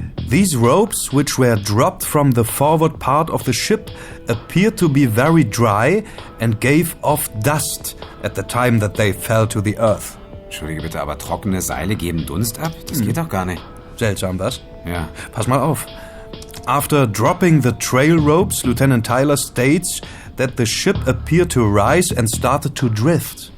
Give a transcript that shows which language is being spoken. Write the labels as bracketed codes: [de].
[en] These ropes, which were dropped from the forward part of the ship, appeared to be very dry and gave off dust at the time that they fell to the earth. [de] Entschuldige bitte, aber trockene Seile geben Dunst ab? Das geht doch gar nicht. Seltsam, was? Ja. Pass mal auf. [en] after dropping the trail ropes, Lieutenant Tyler states that the ship appeared to rise and started to drift.